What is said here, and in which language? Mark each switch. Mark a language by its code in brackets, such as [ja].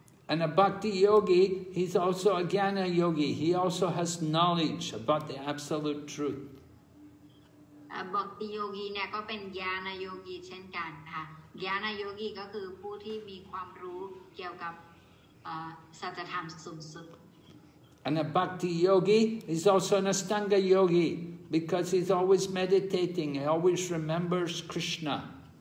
[en] And a bhakti yogi, he's also a jnana yogi. He also has knowledge about the absolute truth. A bhakti yogi, [th] เนี่ยก็เป็นญาณโยกีเช่นกันค่ะ ญาณโยกีก็คือผู้ที่มีความรู้เกี่ยวกับสัจธรรมสูงสุด [en] And a bhakti yogi is also an astanga yogi because he's always meditating, he always remembers Krishna.